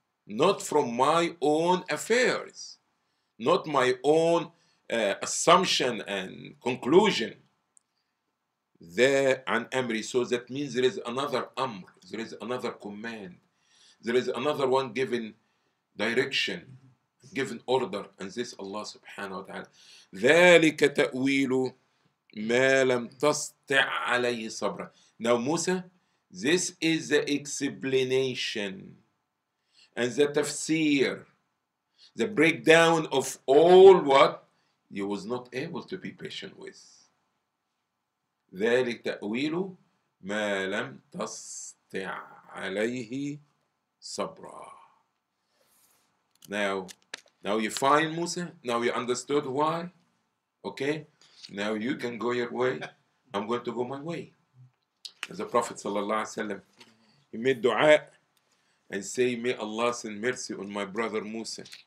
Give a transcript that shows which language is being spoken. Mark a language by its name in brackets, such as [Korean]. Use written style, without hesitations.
[English] Not from my own affairs, not my own assumption and conclusion. There an amri, so that means there is another amr, there is another command, there is another one given direction, given order, and this Allah subhanahu wa ta'ala. [Arabic] ذلك تأويل ما لم تستع عليه صبرا. [English] Now Musa, this is the explanation and the tafsir, the breakdown of all what you was not able to be patient with. [Arabic] ذلك تأويل ما لم تستع عليه صبرا. [English] Now you find Musa, now you understood why. Okay, now you can go your way, I'm going to go my way. As the Prophet sallallahu alaihi wasallam, he made dua and say, may Allah send mercy on my brother Musa.